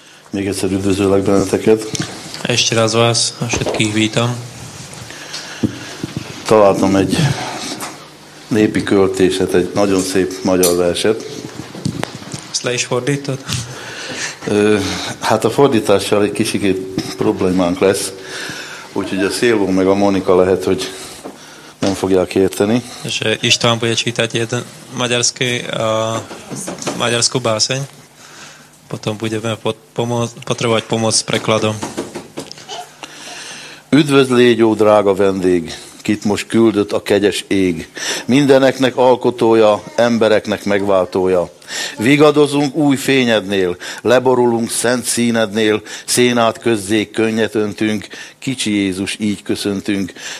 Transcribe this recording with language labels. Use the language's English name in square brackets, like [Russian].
[Hungarian] Még egyszer üdvözöllek benneteket. [Slovak] Este raz vás, a všetkých vítam. [Hungarian] Találtam egy népi költéset, egy nagyon szép magyar verset. Ezt le is fordítod? Hát a fordítással egy kicsit problémánk lesz, úgyhogy a Szilvó meg a Monika lehet, hogy nem fogják érteni. [Slovak] És István bude čítať jeden maďarský, maďarskú báseň. Potom budeme potrebovať pomoc s prekladom. [Hungarian] Üdvözl légy, ó drága vendég, kit most küldött a kegyes ég. Mindeneknek alkotója, embereknek megváltója. Vigadozunk új fényednél, leborulunk szent színednél, szénát közzé könnyet öntünk, kicsi Jézus, így köszöntünk.